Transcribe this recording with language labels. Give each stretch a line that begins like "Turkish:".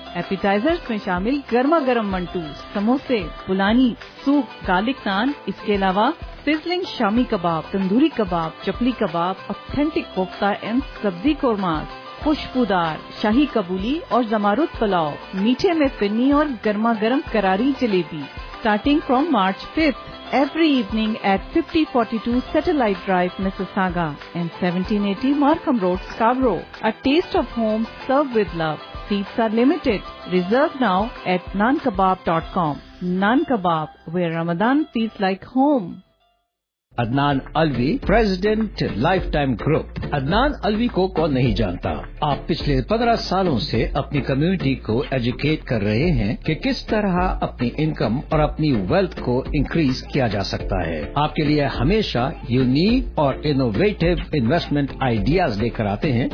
Hindi: एपिटाइजर्स में शामिल गर्मा गर्म मंटू, समोसे, बुलानी, सूप, गार्लिक नान, इसके अलावा sizzling shami kebab, tandoori kebab, chapli kebab, authentic kofta and सब्जी कोरमा, खुशबूदार शाही कबूली और जमारूद पुलाव, मीठे में फिन्नी और गर्मा गर्म करारी jalebi.
English: Starting from March 5th, every evening at 5042 satellite drive Mississauga and 1780 Markham road Scarborough. A taste of home serve with love. Seats are limited. Reserve now at nankebab.com. Naan Kebab, where Ramadan feels like home.
Hindi: Adnan Alvi president lifetime group. Adnan Alvi को कौन नहीं जानता। आप पिछले 15 सालों से अपनी community को एजुकेट कर रहे हैं कि किस तरह अपनी इनकम और अपनी वेल्थ को इंक्रीज किया जा सकता है। आपके लिए हमेशा यूनिक और इनोवेटिव इन्वेस्टमेंट आइडियाज लेकर आते हैं।